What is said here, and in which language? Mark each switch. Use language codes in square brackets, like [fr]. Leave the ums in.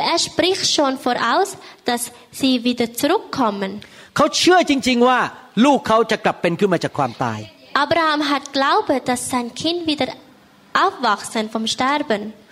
[de] er spricht schon voraus, dass sie wieder zurückkommen. [th] เขาเชื่อจริงๆว่าลูกเขาจะกลับเป็นขึ้นมาจากความตาย [de] Abraham hat glaube, dass sein Kind wieder aufwachsen vom Sterben.